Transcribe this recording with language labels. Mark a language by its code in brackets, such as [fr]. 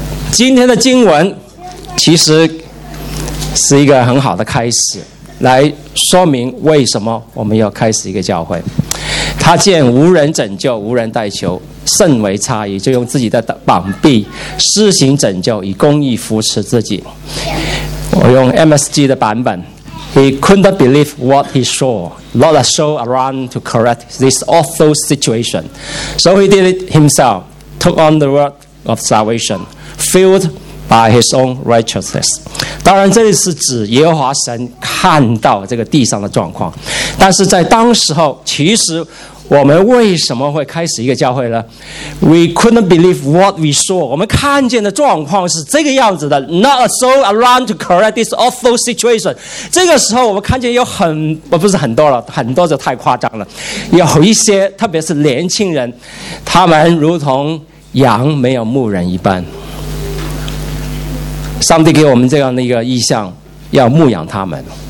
[zh] 今天的经文其实是一个很好的开始，来说明为什么我们要开始一个教会。他见无人拯救，无人代求，甚为诧异，就用自己的膀臂施行拯救，以公义扶持自己。我用 MSG 的版本， [en] He couldn't believe what he saw. Not a soul around to correct this awful situation. So he did it himself. Took on the work of salvation. Filled by his own righteousness. [zh] 当然这里是指耶和华神看到这个地上的状况。但是在当时候，其实我们为什么会开始一个教会呢？ [en] We couldn't believe what we saw. [zh] 我们看见的状况是这个样子的。 [en] Not a soul around to correct this awful situation. [zh] 这个时候我们看见有很，不是很多了，很多就太夸张了。有一些，特别是年轻人，他们如同羊没有牧人一般。上帝给我们这样的一个意象，要牧养他们。